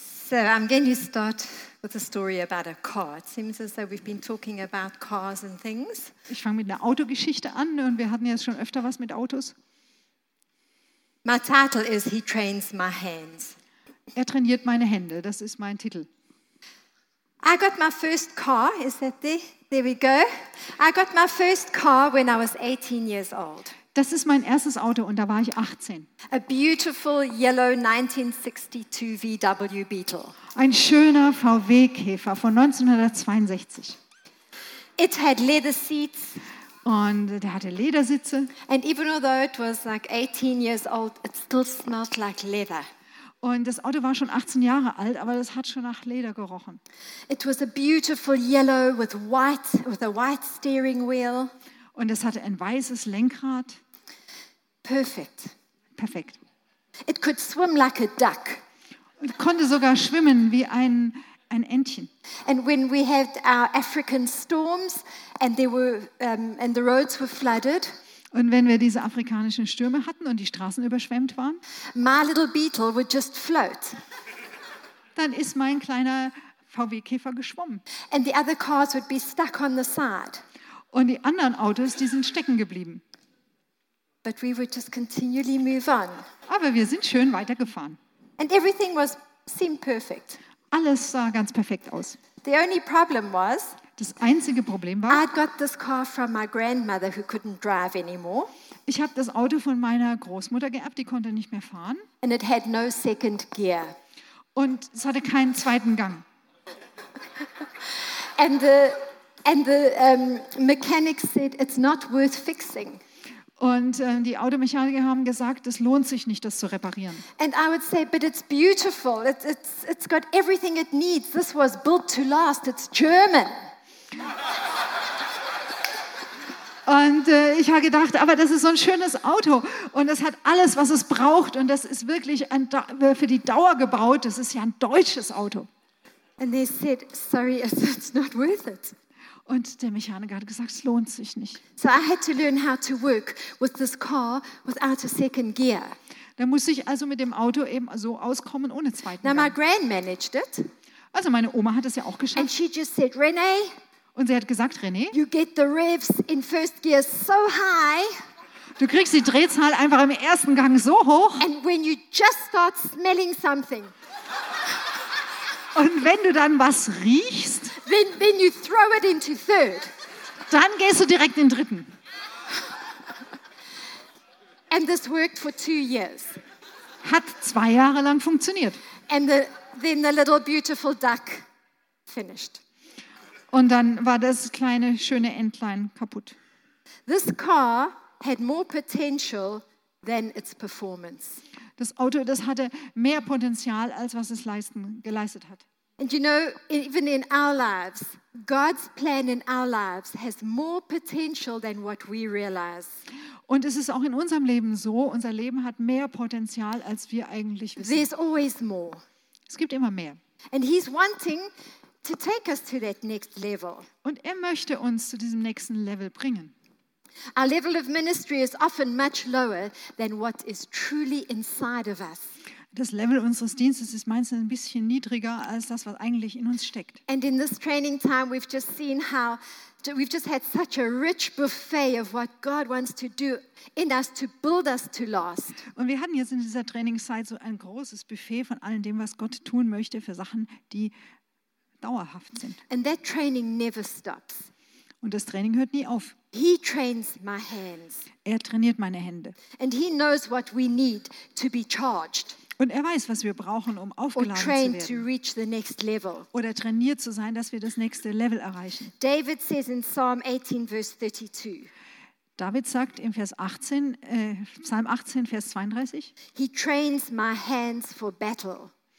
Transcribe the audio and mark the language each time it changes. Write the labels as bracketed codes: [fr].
[en] So, I'm going to start with a story about a car. It seems as though we've been talking about cars and things. [de] Ich fange mit einer Autogeschichte an und wir hatten ja schon öfter was mit Autos. [en] My title is He Trains My Hands. [de] Er trainiert meine Hände, das ist mein Titel. [en] I got my first car, is that the? There we go. I got my first car when I was 18 years old. [de] Das ist mein erstes Auto und da war ich 18. [en] A beautiful yellow 1962 VW Beetle. [de] Ein schöner VW Käfer von 1962. [en] It had leather seats. [de] Und der hatte Ledersitze. [en] And even though it was like 18 years old, it still smelled like leather. [de] Und das Auto war schon 18 Jahre alt, aber das hat schon nach Leder gerochen. [en] It was a beautiful yellow with a white steering wheel. [de] Und es hatte ein weißes Lenkrad. [en] Perfect. [de] Perfekt. [en] It could swim like a duck. [de] Und konnte sogar schwimmen wie ein Entchen. [en] And when we had our African storms and they were and the roads were flooded. [de] Und wenn wir diese afrikanischen Stürme hatten und die Straßen überschwemmt waren. [en] My little beetle would just float. [de] Dann ist mein kleiner VW-Käfer geschwommen. [en] And the other cars would be stuck on the side. [de] Und die anderen Autos, die sind stecken geblieben. [en] But we would just continually move on. [de] Aber wir sind schön weitergefahren. [en] And everything was seemed perfect. [de] Alles sah ganz perfekt aus. [en] The only problem was, [de] das einzige Problem war, [en] I'd got this car from my grandmother who couldn't drive anymore. [de] Ich habe das Auto von meiner Großmutter geerbt, die konnte nicht mehr fahren. [en] And it had no second gear. [de] Und es hatte keinen zweiten Gang. [en] And the mechanic said it's not worth fixing. [de] Und die Automechaniker haben gesagt, es lohnt sich nicht, das zu reparieren. [en] And I would say, but it's beautiful. It's got everything it needs. This was built to last. It's German. [de] Und ich habe gedacht, aber das ist so ein schönes Auto und es hat alles, was es braucht und das ist wirklich für die Dauer gebaut. Das ist ja ein deutsches Auto. [en] And they said, sorry, it's not worth it. [de] Und der Mechaniker hat gesagt, es lohnt sich nicht. [en] So I had to learn how to work with this car without a second gear. [de] Da musste ich also mit dem Auto eben so auskommen ohne zweiten Gang. [en] Now my gran managed it. [de] Also meine Oma hat es ja auch geschafft. [en] And she just said, René, [de] und sie hat gesagt, René, [en] you get the revs in first gear so high. [de] Du kriegst die Drehzahl einfach im ersten Gang so hoch. [en] And when you just start smelling something. [de] Und wenn du dann was riechst, [en] then you throw it into third. [de] Dann gehst du direkt in dritten. [en] And this worked for 2 years. [de] Hat 2 Jahre lang funktioniert. [en] And then the little beautiful duck finished. [de] Und dann war das kleine schöne Entlein kaputt. [en] This car had more potential than its performance. [de] Das Auto, das hatte mehr Potenzial als was es geleistet hat. [en] And you know, even in our lives, God's plan in our lives has more potential than what we realize. [de] Und es ist auch in unserem Leben so, unser Leben hat mehr Potenzial, als wir eigentlich wissen. [en] There's always more. [de] Es gibt immer mehr. [en] And he's wanting to take us to that next level. [de] Und er möchte uns zu diesem nächsten Level bringen. [en] Our level of ministry is often much lower than what is truly inside of us. [de] Das Level unseres Dienstes ist meistens ein bisschen niedriger als das, was eigentlich in uns steckt. [en] And in this training time we've just seen how we've just had such a rich buffet of what God wants to do in us to build us to last. [de] Und wir hatten jetzt in dieser Trainingszeit so ein großes Buffet von all dem, was Gott tun möchte für Sachen, die dauerhaft sind. [en] And that training never stops. [de] Und das Training hört nie auf. [en] He trains my hands. [de] Er trainiert meine Hände. [en] And he knows what we need to be charged. [de] Und er weiß, was wir brauchen, um aufgeladen zu werden. [en] To reach the next level. [de] Oder trainiert zu sein, dass wir das nächste Level erreichen. [en] David says in Psalm 18, verse 32. [de] David sagt im Vers 18, Psalm 18, Vers 32. [en] He trains my hands for battle.